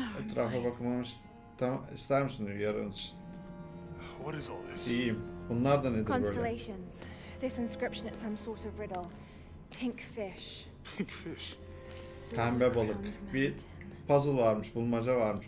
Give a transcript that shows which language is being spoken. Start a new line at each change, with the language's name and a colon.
Turkish: Etrafa bakmamış. Tamam, ister misin diyor yarın için. İyiyim. Bunlar da nedir böyle?
English: Constellations. This inscription is some sort of riddle. Pink fish. Pink fish.
Turkish: Pembe balık. Bir puzzle varmış, bulmaca varmış.